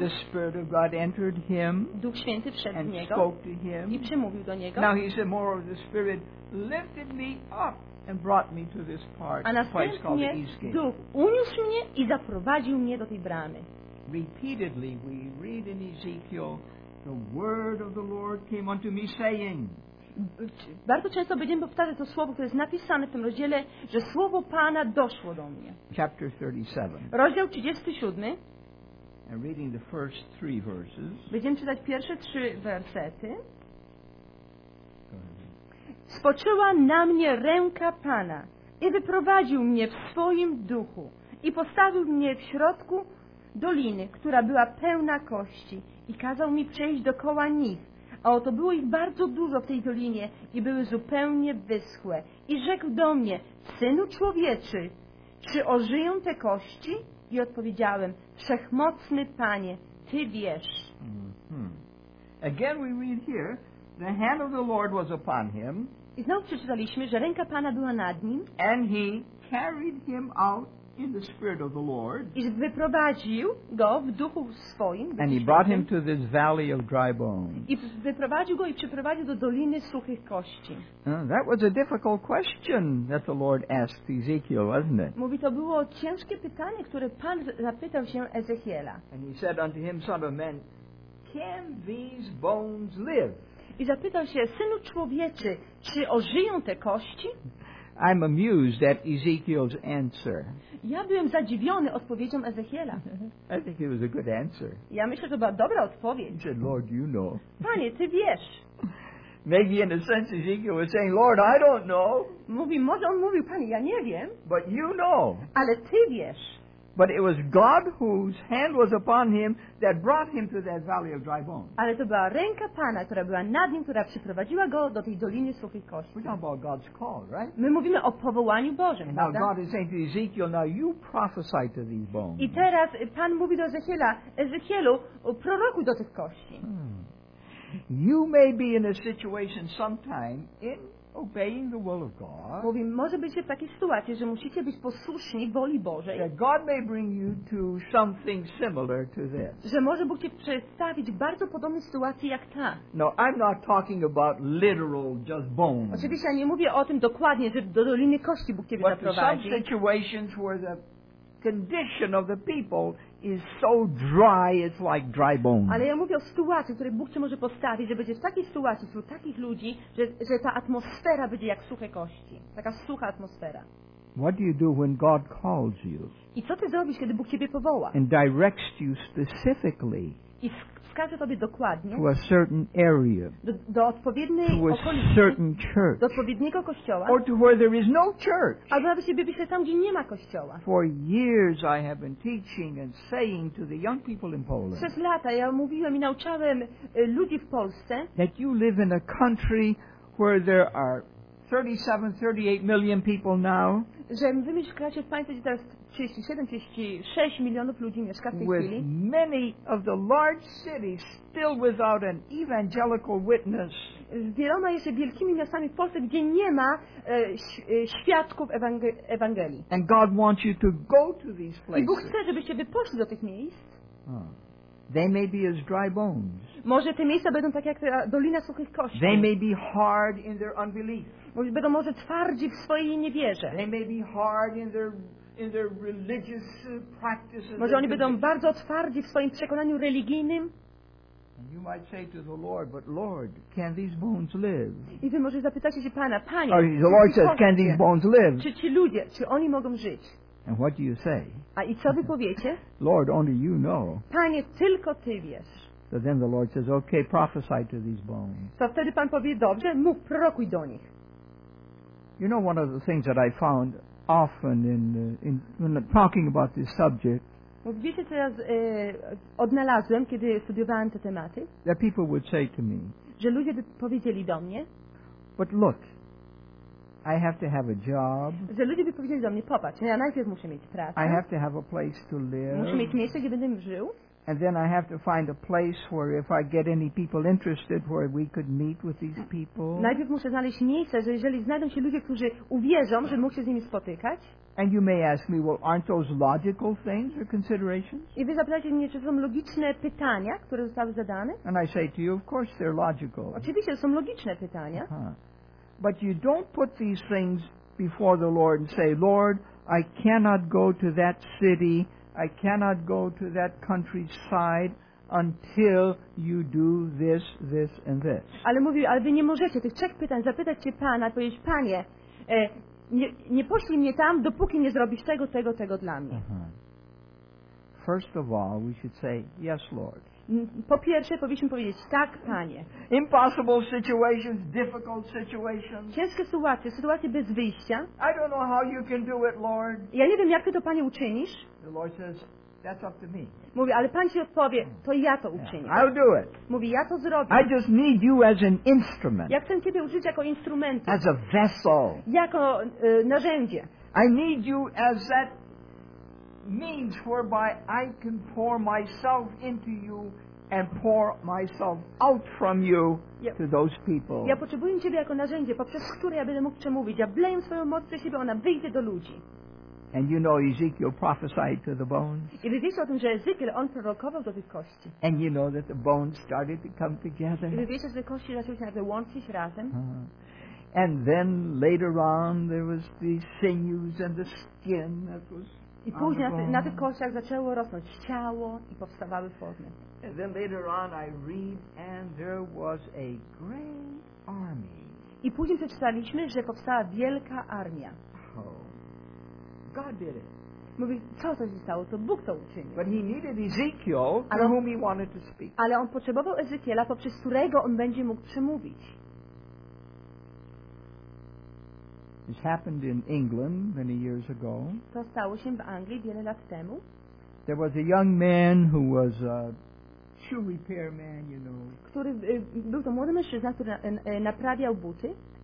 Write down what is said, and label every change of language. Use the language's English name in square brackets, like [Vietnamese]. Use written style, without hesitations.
[English] The Spirit of God entered him. [Polish] Duch Święty wszedł [English] and [Polish] w niego. [English] Spoke to him. [Polish] I przemówił do niego. [English] Now he said, moreover, the Spirit lifted me up and brought me to this part, [Polish] a następnie Duch uniósł mnie i zaprowadził mnie do tej bramy. [English] Repeatedly we read in Ezekiel, the word of the Lord came unto me saying. [Polish] Bardzo często będziemy powtarzać to słowo, które jest napisane w tym rozdziale, że słowo Pana doszło do mnie. [English] Chapter 37. [Polish] Rozdział 37. [English] And reading the first three verses. [Polish] Będziemy czytać pierwsze trzy wersety. Spoczęła na mnie ręka Pana i wyprowadził mnie w swoim duchu i postawił mnie w środku doliny, która była pełna kości, i kazał mi przejść dokoła nich. A oto było ich bardzo dużo w tej dolinie i były zupełnie wyschłe. I rzekł do mnie, Synu Człowieczy, czy ożyją te kości? I odpowiedziałem, Wszechmocny Panie, Ty wiesz. Mm-hmm. [English] Again we read here, the hand of the Lord was upon him. [Polish] I znowu przeczytaliśmy, że ręka Pana była nad nim. [English] And he carried him out in the Spirit of the Lord. [Polish] I wyprowadził go w duchu swoim. [English] And he brought him to this valley of dry bones. [Polish] I wyprowadził go i przyprowadził do doliny suchych kości. [English] That was a difficult question that the Lord asked Ezekiel, wasn't it? [Polish] Mówi, to było ciężkie pytanie, które Pan zapytał się Ezechiela. [English] And he said unto him, Son of man, can these bones live? [Polish] I zapytał się, Synu Człowieczy, czy ożyją te kości? [English] I'm amused at Ezekiel's answer. [Polish] Ja byłem zadziwiony odpowiedzią Ezechiela. [English] I think it was a good answer. [Polish] Ja myślę, że to była dobra odpowiedź. [English] He said, Lord, you know. [Polish] Panie, Ty wiesz. [English] Maybe in a sense Ezekiel was saying, Lord, I don't know. [Polish] Mówi, może on mówił, Panie, ja nie wiem. [English] But you know. [Polish] Ale Ty wiesz. [English] But it was God whose hand was upon him that brought him to that valley of dry bones. [Polish] Ale to była ręka Pana, która była nad nim, która przyprowadziła go do tej doliny suchych kości. [English] We're talking about God's call, right? [Polish] My mówimy o powołaniu Bożym, prawda? [English] Now God is saying to Ezekiel, now you prophesy to these bones. [Polish] I teraz Pan mówi do Ezechiela, Ezechielu, prorokuj do tych kości. [English] You may be in a situation sometime in obeying the will of God. [Polish] Mówi, może być w takiej sytuacji, że musicie być posłuszni woli Bożej. [English] That God may bring you to something similar to this. [Polish] Że może Bóg cię przedstawić bardzo podobnej sytuacji jak ta. [English] No, I'm not talking about literal just bones. [Polish] Oczywiście ja nie mówię o tym dokładnie, że do doliny kości Bóg cię zaprowadzi. [English] But some situations where the condition of the people is so dry, it's like dry bones. [Polish] Ale ja mówię o sytuacji, w której Bóg cię może postawić, że będzie w takiej sytuacji wśród takich ludzi, że ta atmosfera będzie jak suche kości, taka sucha atmosfera. [English] What do you do when God calls you? [Polish] I co ty zrobisz, kiedy Bóg ciebie powoła? [English] And directs you specifically. [Polish] I wskaże tobie dokładnie. [English] To a certain area. [Polish] Do odpowiedniej to okolicy. [English] A certain church. [Polish] Do odpowiedniego kościoła. [English] Or to where there is no church. [Polish] A nawet się biblijne tam, gdzie nie ma kościoła. [English] For years I have been teaching and saying to the young people in Poland. [Polish] Przez lata ja mówiłem i nauczałem ludzi w Polsce. [English] That you live in a country where there are 37, 38 million people now. [Polish] Że wy mieszkacie w państwie, gdzie teraz 37-36 milionów ludzi mieszka w tej [English] with [Polish] chwili. [English] Many of the large cities still without an evangelical witness. [Polish] Z wieloma jeszcze wielkimi miastami w Polsce, gdzie nie ma świadków Ewangelii. [English] And God wants you to go to these places. [Polish] I Bóg chce, żebyście wy poszli do tych miejsc. [English] They may be as dry bones. [Polish] Może te miejsca będą tak jak ta dolina suchych kości. [English] They may be hard in their unbelief. [Polish] Będą może twardzi w swojej niewierze. [English] They may be hard in their religious practices. [Polish] Może oni będą bardzo twardzi w swoim przekonaniu religijnym. [English] And you might say to the Lord, but Lord, can these bones live? [Polish] I wy może zapytacie się Pana, Panie. [English] Or the Lord says, can these bones live? [Polish] Czy ci ludzie, czy oni mogą żyć? [English] And what do you say? [Polish] A i co wy powiecie? [English] Lord, only you know. [Polish] Panie, tylko ty wiesz. [English] So then the Lord says, okay, prophesy to these bones. [Polish] To wtedy Pan powie, dobrze, mów, prorokuj do nich. [English] You know, one of the things that I found often in talking about this subject. [Polish] Wiecie, co ja odnalazłem, kiedy studiowałem te tematy? [English] That people would say to me. [Polish] Że ludzie powiedzieli do mnie. [English] But look, I have to have a job. [Polish] Że ludzie by powiedzieli do mnie, popatrz, ja najpierw muszę mieć pracę. [English] I have to have a place to live. [Polish] Muszę mieć miejsce, gdzie będę żył. [English] And then I have to find a place where if I get any people interested where we could meet with these people. [Polish] Najpierw muszę znaleźć miejsce, że jeżeli znajdą się ludzie, którzy uwierzą, że mógł się z nimi spotykać. [English] And you may ask me, well, aren't those logical things or considerations? [Polish] I wy zapytacie mnie, czy są logiczne pytania, które zostały zadane? [English] And I say to you, of course they're logical. [Polish] Oczywiście, są logiczne pytania. [English] But you don't put these things before the Lord and say, Lord, I cannot go to that city, I cannot go to that countryside until you do this, this and this. [Polish] Ale mówię, ale wy nie możecie tych trzech pytań zapytać się Pana, powiedzieć, Panie, nie poślij mnie tam, dopóki nie zrobisz tego dla mnie. [English] First of all, we should say, yes, Lord. [Polish] Po pierwsze, powinniśmy powiedzieć, tak, Panie. [English] Impossible situations, difficult situations. [Polish] Ciężkie sytuacje, sytuacje bez wyjścia. [English] I don't know how you can do it, Lord. [Polish] Ja nie wiem, jak Ty to, Panie, uczynisz. [English] The Lord says, that's up to me. [Polish] Mówi, ale Pan Ci odpowie, to ja to uczynię. [English] Yeah, I'll do it. [Polish] Mówi, ja to zrobię. [English] I just need you as an instrument. [Polish] Ja chcę Ciebie użyć jako instrumentu. [English] As a vessel. [Polish] Jako narzędzie. [English] I need you as that means whereby I can pour myself into you and pour myself out from you to those people. [Polish] Ja potrzebuję Ciebie jako narzędzie, poprzez które ja będę mógł przemówić. Ja wleję swoją moc do siebie, ona wyjdzie do ludzi. [English] And you know Ezekiel prophesied to the bones. [Polish] I wy wiecie o tym, że Ezekiel, on prorokował do tych kości. [English] And you know that the bones started to come together. [Polish] I wy wiecie, że te kości zaczęły się nagle łączyć razem. [English] And then later on there was the sinews and the skin that was. [Polish] I później na tych kościach zaczęło rosnąć ciało i powstawały formy. [English] And then later on I read and there was a great army. [Polish] I później przeczytaliśmy, że powstała wielka armia. [English] Oh, God did it. [Polish] Mówi, co to się stało? To Bóg to uczynił. [English] But he needed Ezekiel, to whom he wanted to speak. [Polish] Ale on potrzebował Ezekiela, poprzez którego on będzie mógł przemówić. [English] This happened in England many years ago. [Polish] To stało się w Anglii wiele lat temu. [English] There was a young man who was a shoe repair man, you know. [Polish] Który był to młody mężczyzna, który naprawiał buty.